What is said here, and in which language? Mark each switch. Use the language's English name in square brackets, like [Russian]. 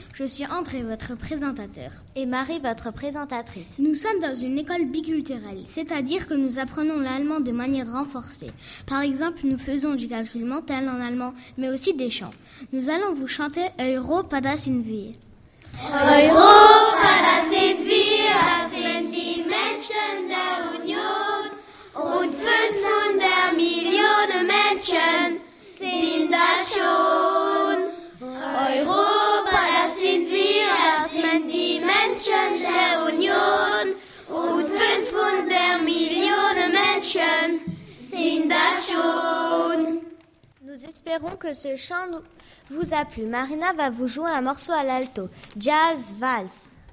[French] Je suis André, votre présentateur. Et Marie, votre présentatrice. Nous sommes dans une école biculturelle, c'est-à-dire que nous apprenons l'allemand de manière renforcée. Par exemple, nous faisons du calcul mental en allemand, mais aussi des chants. Nous allons vous chanter « Euro, padas in wie ». [German] Euro, padas in wie, das sind die Menschen der Union. Und 500 Millionen Menschen sind das schon. Europa, das sind wir, das sind die Menschen der Union. Und 500 Millionen Menschen sind das schon. [French] Nous espérons que ce chant vous a plu. Marina va vous jouer un morceau à l'alto. Jazz, vals.